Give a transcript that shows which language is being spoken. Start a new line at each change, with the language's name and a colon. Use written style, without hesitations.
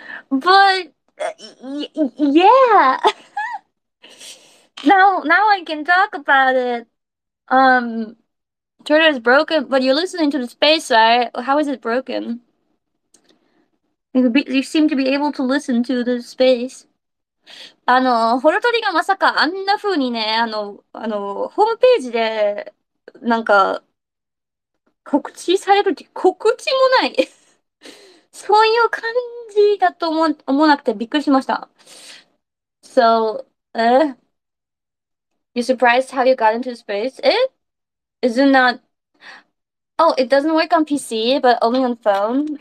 English: But y yeah. Now I can talk about it. Twitter is broken, but you're listening to the space, right? How is it broken? You seem to be able to listen to the space.
Japanese: ホロトリがまさかあんな風にね、ホームページで、なんか、告知されるって、告知もない そういう感じだと思わなくてびっくりしました。
English: So, You surprised how you got into space? Is it not? Oh, it doesn't work on PC, but only on phone.